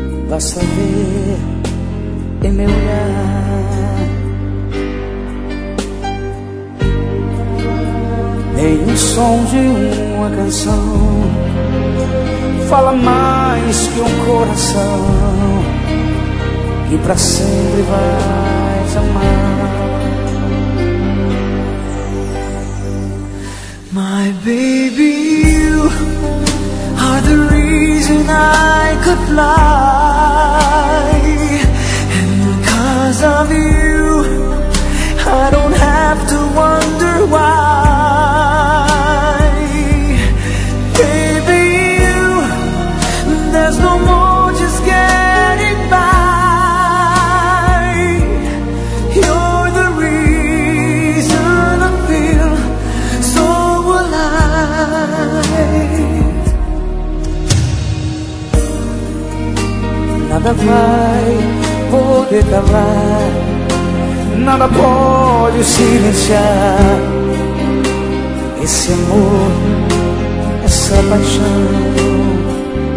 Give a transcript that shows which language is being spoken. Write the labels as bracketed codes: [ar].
[pt] Basta ver em meu olhar. Nem o som de uma canção fala mais que um coração que pra sempre vai amar. [en] My baby, you are the reason I could fly. And because of you, I don't have to wonder why. Baby, you, there's no more just getting by. You're the reason I feel so alive. [pt] Nada vai poder calar, nada pode silenciar esse amor, essa paixão.